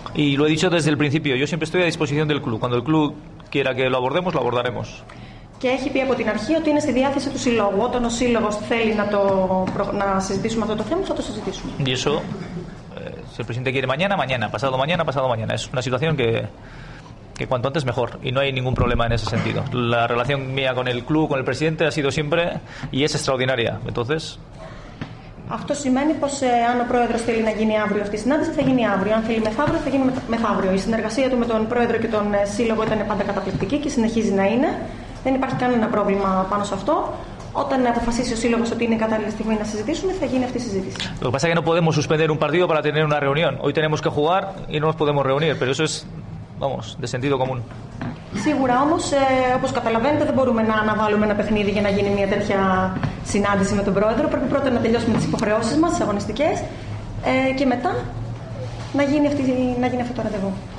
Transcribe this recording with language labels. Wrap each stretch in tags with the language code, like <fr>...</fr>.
<es>Y lo he dicho desde el principio. Yo siempre estoy a disposición del club. Cuando el club quiera que lo abordemos, lo abordaremos.</es> <el>Και έχει πει από την αρχή ότι είναι στη διάθεση του συλλόγου. Όταν ο σύλλογος θέλει να συζητήσουμε αυτό το θέμα, θα το συζητήσουμε.</el> <es>Y eso, si el presidente quiere mañana, mañana. Pasado mañana, pasado mañana. Es una situación que cuanto antes mejor, y no hay ningún problema en ese sentido. La relación mía con el club, con el presidente, ha sido siempre y es extraordinaria. Entonces,</es> <el>αυτό σημαίνει πως αν ο πρόεδρος θέλει να γίνει αύριο αυτή η συνάντηση, θα γίνει αύριο. Αν θέλει μεθαύριο, θα γίνει μεθαύριο. Η συνεργασία του με τον πρόεδρο και τον σύλλογο ήταν πάντα καταπληκτική και συνεχίζει να είναι. Δεν υπάρχει κανένα πρόβλημα πάνω σε αυτό. Όταν αποφασίσει ο σύλλογος ότι είναι κατάλληλη στιγμή να συζητήσουμε, θα γίνει αυτή η συζήτηση.</el> <es>Lo que pasa es que no podemos suspender un partido para tener una reunión. Hoy tenemos que jugar y no nos podemos reunir, pero eso es. Vamos, de sentido común.</es> <el>Σίγουρα όμως, όπως καταλαβαίνετε, δεν μπορούμε να αναβάλουμε ένα παιχνίδι για να γίνει μια τέτοια συνάντηση με τον πρόεδρο. Πρέπει πρώτα να τελειώσουμε τις υποχρεώσεις μας, τις αγωνιστικές, και μετά να γίνει αυτό το ραντεβού.</el>